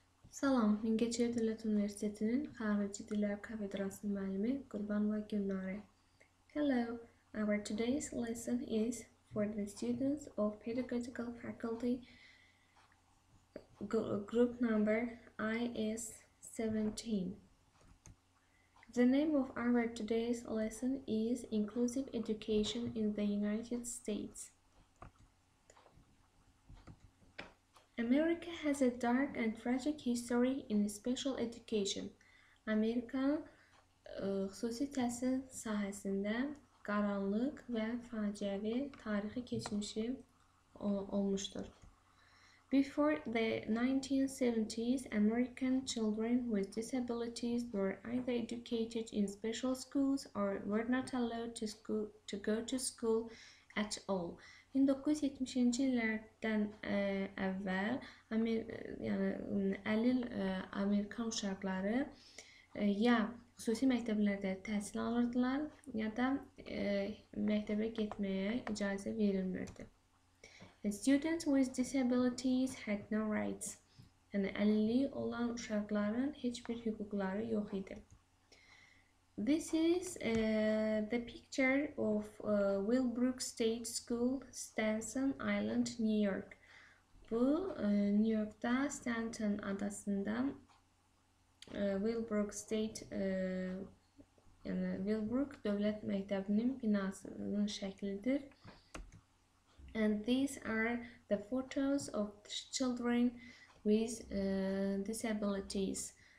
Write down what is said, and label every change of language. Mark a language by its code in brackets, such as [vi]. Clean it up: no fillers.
[az] Salam, Mingəcevir Dövlət Universitetinin Xarici Dillər Kafedrası müəllimi Qurbanova Gülnarə. [en] Hello, our today's lesson is for the students of Pedagogical Faculty group number IS17. The name of our today's lesson is Inclusive Education in the United States. America has a dark and tragic history in special education. [az] Amerika xüsusi təhsil sahəsində qaranlıq və faciəvi tarixi keçmişi olmuşdur. [en] Before the 1970s, American children with disabilities were either educated in special schools or were not allowed to go to school at all. [az] 1970-ci illərdən əvvəl Amerikan uşaqları ya xüsusi məktəblərdə təhsil alırdılar, ya da məktəbə getməyə icazə verilmirdi. [en] Students with disabilities had no rights. [az] Yəni, əlilliyi olan uşaqların heç bir hüquqları yox idi. [en] This is the picture of Willbrook State School, Staten Island, New York. [az] Bu New York'ta Staten adasında Willbrook State yani Willbrook Dövlət Məktəbinin binasının şəklidir. [en] And these are the photos of children with disabilities.